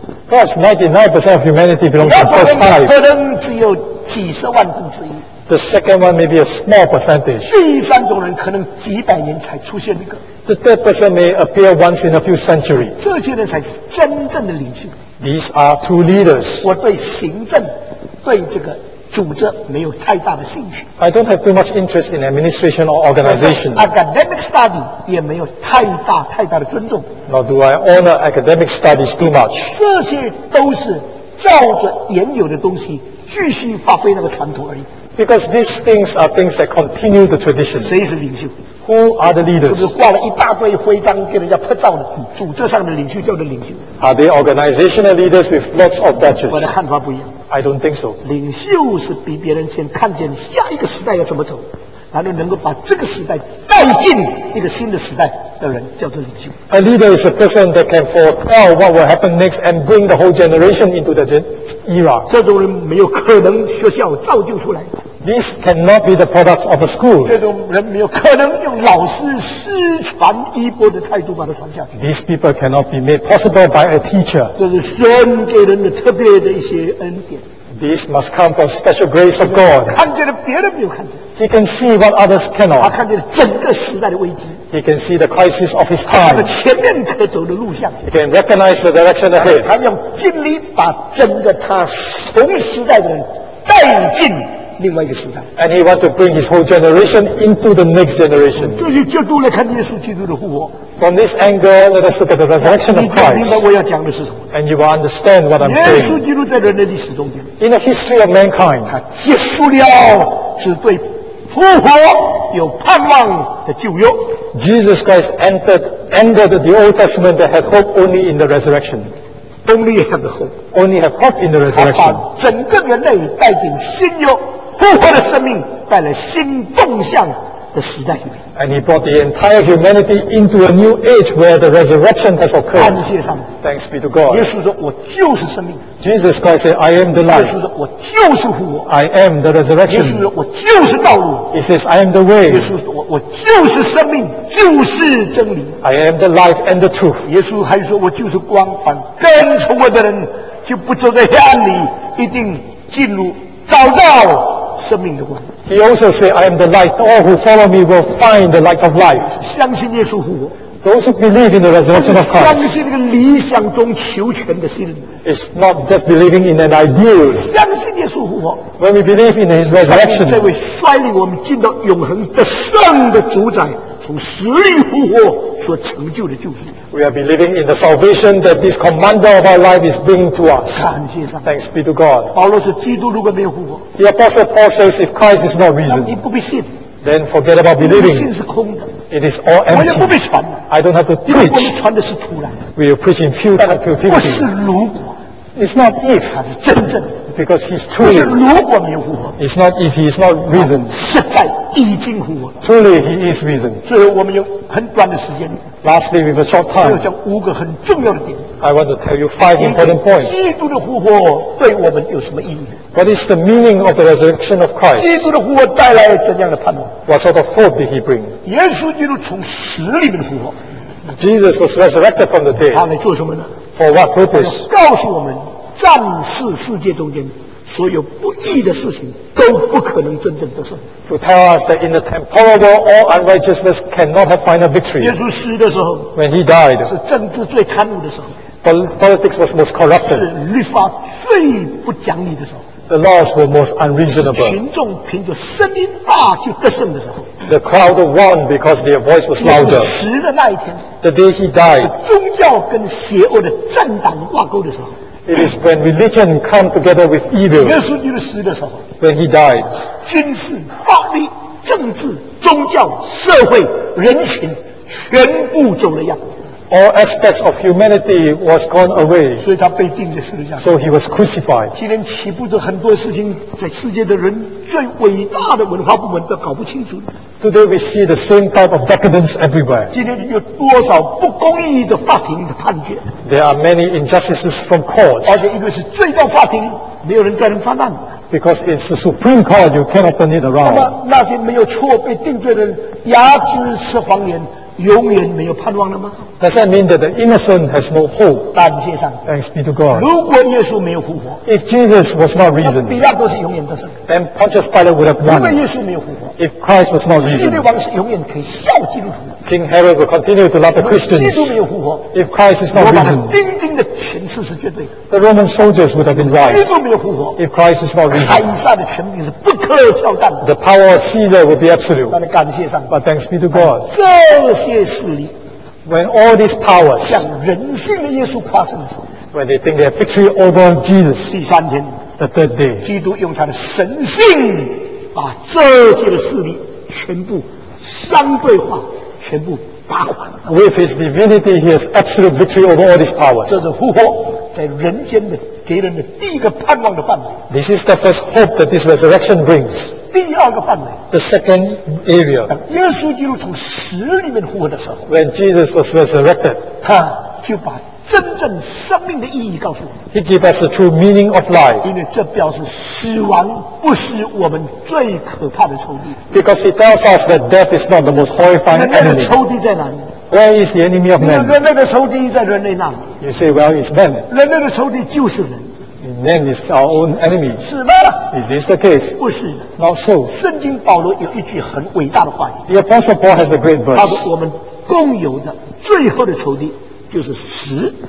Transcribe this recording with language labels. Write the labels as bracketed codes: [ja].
[en] Perhaps 99% of humanity belongs to the first five. [zh] 可能只有几十万分之一。 [en] The second one may be a small percentage. [zh] 第三种人可能几百年才出现一个。 [en] The third person may appear once in a few centuries. [zh] 这些人才是真正的领袖。 [en] These are true leaders. [zh] 我对行政，对这个组织没有太大的兴趣。 [en] I don't have too much interest in administration or organization. Academic study [zh] 也没有太大的尊重。 [en] Nor do I honor academic studies too much. [zh] 这些都是照着原有的东西继续发挥那个传统而已。 [en] Because these things are things that continue the tradition. [zh] 谁是领袖？ [en] Who are the leaders? [zh] 是不是挂了一大堆徽章给人家拍照的？组织上的领袖叫做领袖。 [en] Are they organizational leaders with lots of badges? [zh] 我的看法不一样。 [en] I don't think so. [zh] 领袖是比别人先看见下一个时代要怎么走，然后能够把这个时代带进一个新的时代的人叫做领袖。 [en] A leader is a person that can foretell what will happen next and bring the whole generation into the era. [zh] 这种人没有可能学校造就出来。 [en] This cannot be the product of a school. [zh] 这种人没有可能用老师师传衣钵的态度把它传下去。 [en] These people cannot be made possible by a teacher. [zh] 这是神给人的特别的一些恩典。 [en] This must come from special grace of God. [zh] 看见了别人没有看见。 [en] He can see what others cannot. [zh] 他看见了整个时代的危机。 [en] He can see the crisis of his time. [zh] 他看见了前面可走的路向。 [en] He can recognize the direction ahead. [zh] 他用尽力把整个他同时代的人带进。另外一个时代 [en] and he want to bring his whole generation into the next generation [zh] 这些角度来看耶稣基督的复活 [en] from this angle let us look at the resurrection of Christ [zh] 你明白我要讲的是什么 [en] and you will understand what I'm saying [zh] 耶稣基督在人类历史中间 [en] in the history of mankind [zh] 他结束了只对复活有盼望的旧约 [en] Jesus Christ ended the Old Testament that had hope only in the resurrection Only have hope in the resurrection. [zh] 把整个人类带进新约复活的生命，带来新动向的时代里面。 [en] And he brought the entire humanity into a new age where the resurrection has occurred. [zh] 感谢上帝。 [en] Thanks be to God. [zh] 耶稣说：“我就是生命。” [en] Jesus Christ said, "I am the life." [zh] 耶稣说：“我就是复活。” [en] I am the resurrection. [zh] 耶稣说：“我就是道路。” [en] He says, "I am the way." [zh] 耶稣说：“ 我就是生命，就是真理。 [en] I am the life and the truth。 [zh] 耶稣还说，我就是光，凡跟从我的人就不走在黑暗里，一定进入找到生命的光。 [en] He also said, I am the light. All who follow me will find the light of life. [zh] 相信耶稣复活。 [en] Those who believe in the resurrection of Christ. [zh] 相信那个理想中求全的心。 [en] It's not just believing in an idea. [zh] 相信耶稣复活。 [en] When we believe in His resurrection. [zh] 这位率领我们进到永恒的圣的主宰，从死里复活所成就的救赎。 [en] We are believing in the salvation that this commander of our life is bringing to us. [zh] 感谢上帝。 [en] Thanks be to God. [zh] 保罗说，基督如果没有复活。 [en] The apostle Paul says, if Christ is not risen. [zh] 你不必信。 [en] Then forget about believing. [zh] 信是空的。 [en] It is all empty. [zh] 我也不必传。 [en] I don't have to preach. [zh] 因为我们传的是突然。 [en] We will preach in future futility. [zh] 不是如果。 [en] It's not if. [zh] 他是真正。 [en] Because he's truly. [zh] 不是如果没有复活。 [en] It's not if he is not risen. [zh] 实在已经复活。 [en] Truly he is risen. [zh] 最后我们有很短的时间。 [en] Lastly, with a short time. [zh] 我要讲五个很重要的点。 [en] I want to tell you five important points. [zh] 基督的复活对我们有什么意义？ [en] What is the meaning of the resurrection of Christ? [zh] 基督的复活带来怎样的盼望？ [en] What sort of hope did he bring? [zh] 耶稣基督从死里面复活。 [en] Jesus was resurrected from the dead. [zh] 他来做什么呢？ [en] For what purpose? [zh] 告诉我们，暂时世界中间所有不义的事情都不可能真正得胜。 [en] To tell us that in the temporal world, all unrighteousness cannot have final victory. [zh] 耶稣死的时候， [en] When he died, [zh] 是政治最贪污的时候。 [en] Politics was most corrupted. [zh] 是律法最不讲理的时候。 [en] The laws were most unreasonable. [zh] 群众凭着声音大就得胜的时候。 [en] The crowd won because their voice was louder. [zh] 死的那一天。 [en] The day he died. [zh] 是宗教跟邪恶的政党挂钩的时候。 [en] It is when religion come together with evil. [zh] 耶稣基督死的时候。 [en] When he died. [zh] 军事、法律、政治、宗教、社会、人群，全部走了样。 [en] All aspects of humanity was gone away. [zh] 所以他被钉在十字架。 [en] So he was crucified. [zh] 今天起步的很多事情，在世界的人最伟大的文化部门都搞不清楚。 [en] Today we see the same type of decadence everywhere. [zh] 今天有多少不公义的法庭的判决？ [en] There are many injustices from courts. [zh] 而且因为是最高法庭，没有人再能翻案。 [en] Because it's the Supreme Court, you cannot turn it around. [zh] 那么那些没有错被定罪的人，牙齿是谎言。永远没有盼望了吗？ [en] Does that mean that the innocent has no hope? [zh] 感谢上帝。 [en] Thanks be to God. [zh] 如果耶稣没有复活， [en] If Jesus was not risen, [zh] 比拉多是永远得胜。 [en] Then Pontius Pilate would have won. [zh] 如果耶稣没有复活， [en] If Christ was not risen, [zh] 希律王是永远可以笑基督徒。 [en] King Herod will continue to love the Christians. [zh] 基督没有复活， [en] If Christ is not risen, [zh] 罗马钉钉的权势是绝对的。 [en] The Roman soldiers would have been right. [zh] 基督没有复活， [en] If Christ is not risen, [zh] 凯撒的权柄是不可挑战的。 [en] The power of Caesar would be absolute. [zh] 但感谢上帝。 [en] But thanks be to God. [zh] 这些势力。 [en] When all these powers [zh] 向人性的耶稣夸胜的时候， [en] When they think they have victory over Jesus, [zh] 第三天， [en] The third day, [zh] 基督用他的神性把这些的势力全部相对化，全部打垮了。 [en] With his divinity, he has absolute victory over all these powers. [zh] 这是复活在人间的给人的第一个盼望的范围。 [en] This is the first hope that this resurrection brings. [zh] 第二个范围， [en] The second area. [zh] 当耶稣基督从死里面复活的时候， [en] When Jesus was resurrected, [zh] 他就把真正生命的意义告诉我们。 [en] He gave us the true meaning of life. [zh] 因为这表示死亡不是我们最可怕的仇敌。 [en] Because it tells us that death is not the most horrifying enemy. [zh] 那个仇敌在哪里？ [en] Where is the enemy of man? [zh] 人类的仇敌在人类那里。 [en] You say, well, it's man. [zh] 人类的仇敌就是人。 [en] Man is our own enemy. [zh] 是吗？ [en] Is this the case? [zh] 不是。 [en] Not so. [zh] 圣经保罗有一句很伟大的话语。 [en] The Apostle Paul has a great verse. [zh] 他说我们共有的最后的仇敌就是死。